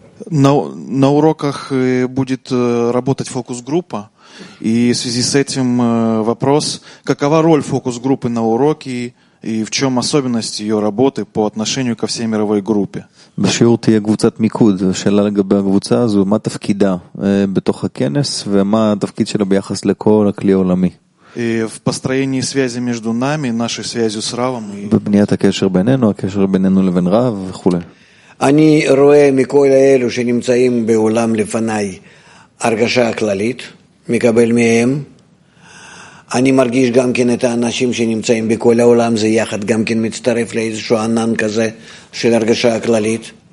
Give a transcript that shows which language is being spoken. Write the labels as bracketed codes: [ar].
[ru] На уроках будет работать фокус-группа, и в связи с этим вопрос, какова роль фокус-группы на уроке и в чем особенность ее работы по отношению ко всей мировой группе? [he] בשיעור תהיה קבוצת מיקוד, שאלה לגבי הקבוצה הזו, מה תפקידה בתוך הכנס ומה התפקיד שלה ביחס לכל הכלי העולמי? [ru] В построении связи между нами, нашей связью с Равом. [he] בבניית הקשר בינינו, הקשר בינינו לבין רב וכו'. אני רואה מכל אלו שנמצאים בעולם לפניי הרגשה כללית, מקבל מהם. אני מרגיש גם כן את האנשים שנמצאים בכל העולם, זה יחד גם כן מצטרף לאיזשהו ענן כזה של הרגשה כללית.